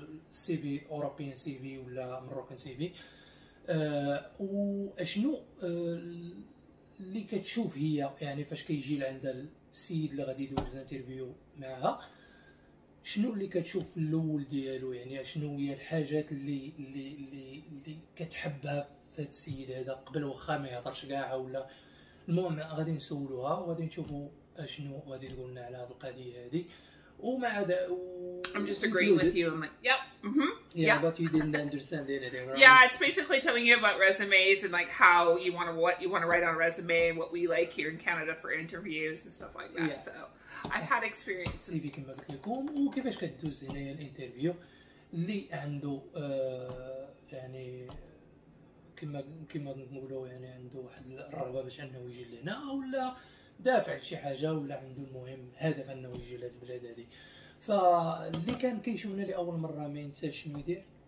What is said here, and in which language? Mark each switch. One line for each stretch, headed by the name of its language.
Arabic: السي في اوروبيان سي في ولا مروكان سي في واشنو اللي كتشوف هي يعني فاش كيجي لعند السيد اللي غادي يدوز انترفيو معها شنو اللي كتشوف في الاول ديالو يعني شنو هي الحاجات اللي كتحبها في هذا السيد هذا قبل واخا ما يهضرش كاع ولا المهم غادي نسولوها وغادي نشوفوا اشنو غادي تقول لنا على هذه القضيه هذه وما عدا
English: I'm just agreeing with you. I'm like, yep. Mm-hmm. Yeah, but you didn't understand anything, right? Yeah, it's basically telling you about resumes and like how you want to what you want to write on a resume and what we like here in Canada for interviews and stuff like that. Yeah. So I've had experience.
Arabic: CV كما قلت لكم وكيفاش كدوز هنا الانترفيو اللي عنده يعني كما نقولوا يعني عنده واحد الرغبه باش انه يجي لهنا ولا دافع لشي حاجه ولا عنده المهم هدف انه يجي لهاد البلاد هادي فاللي كان كيشوفنا لاول مره ما ينساش شنو يدير